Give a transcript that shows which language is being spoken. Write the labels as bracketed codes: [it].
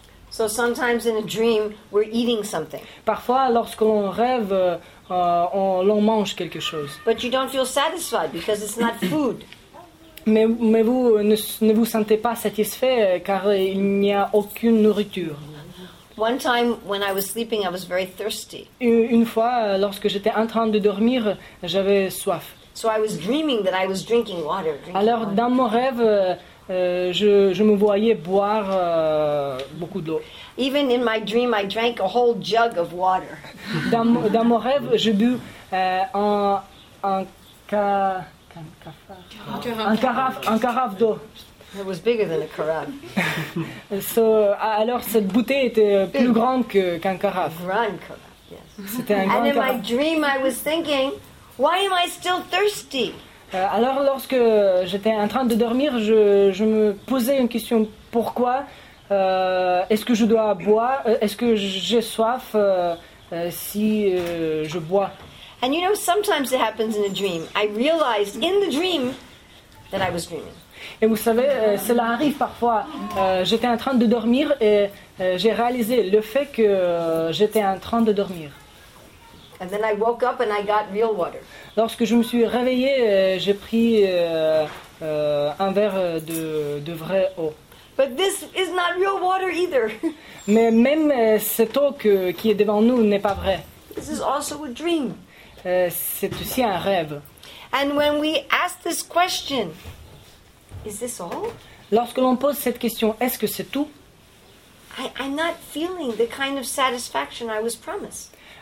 [en] So sometimes in a dream we're eating something. [fr] Parfois lorsqu'on rêve on mange quelque chose. [en] But you don't feel satisfied because it's not food. [fr] Mais vous ne vous sentez pas satisfait car il n'y a aucune nourriture. [en] One time when I was sleeping I was very thirsty. [fr] Une fois lorsque j'étais en train de dormir, j'avais soif. [en] So I was dreaming that I was drinking water. Drinking [fr] alors [en] water. [fr] Dans mon rêve je me voyais boire beaucoup d'eau. [en] Even in my dream I drank a whole jug of water. [fr] Dans mon rêve, je bu un carafe d'eau. [en] It was bigger than a carafe. [fr] So, alors cette bouteille était plus grande qu'un carafe. Grand carafe, yes. C'était un grand [en] and in [fr] carafe. [en] My dream I was thinking, why am I still thirsty? [fr] Alors lorsque j'étais en train de dormir, je me posais une question, pourquoi est-ce que je dois boire, est-ce que j'ai soif je bois? [en] And you know, sometimes it happens in a dream. I realized in the dream that I was dreaming. [fr] Et vous savez, cela arrive parfois. J'étais en train de dormir et j'ai réalisé le fait que j'étais en train de dormir. [en] And then I woke up and I got real water. [fr] Lorsque je me suis réveillé, j'ai pris un verre de vraie eau. [en] But this is not real water either. [fr] Mais même cette eau qui est devant nous n'est pas vraie. [en] This is also a dream. [fr] C'est aussi un rêve. [en] And when we ask this question, is this all? [fr] Lorsque l'on pose cette question, est-ce que c'est tout? [en] I'm not feeling the kind of satisfaction I was promised.